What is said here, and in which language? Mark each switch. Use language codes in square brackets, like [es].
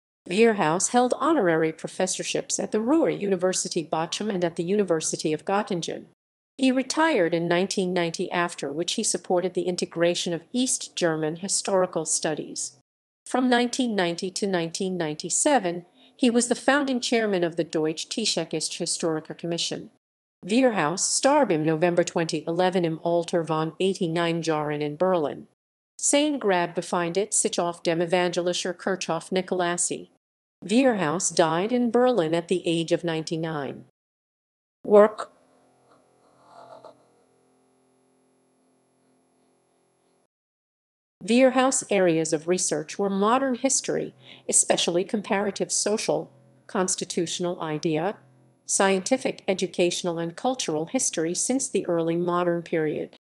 [en] Vierhaus held honorary professorships at the Ruhr University Bochum and at the University of Göttingen. He retired in 1990, after which he supported the integration of East German historical studies. From 1990-1997, he was the founding chairman of the Deutsche Geschichtliche Historiker Commission. [de] Vierhaus starb im November 2011 im Alter von 89 Jahren in Berlin. Sein Grab befindet sich auf dem Evangelischer Kirchhof Nikolassee. [en] Vierhaus died in Berlin at the age of 99. Work. Vierhaus' areas of research were modern history, especially comparative social, constitutional idea, scientific, educational, and cultural history since the early modern period.